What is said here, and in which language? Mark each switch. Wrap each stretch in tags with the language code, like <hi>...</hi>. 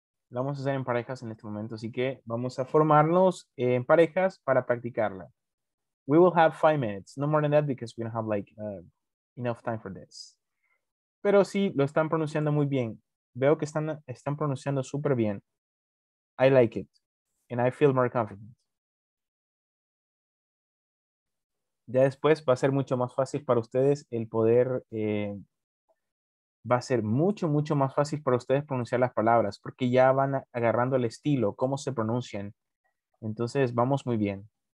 <es>Lo vamos a hacer en parejas en este momento, así que vamos a formarnos en parejas para practicarla.</es> <en>We will have 5 minutes, no more than that because we don't have like enough time for this.</en> <es>Pero sí, lo están pronunciando muy bien. Veo que están pronunciando súper bien.</es> <en>I like it and I feel more confident.</en> <es>Ya después va a ser mucho más fácil para ustedes el poder, va a ser mucho, mucho más fácil para ustedes pronunciar las palabras, porque ya van agarrando el estilo, cómo se pronuncian. Entonces, vamos muy bien.</es>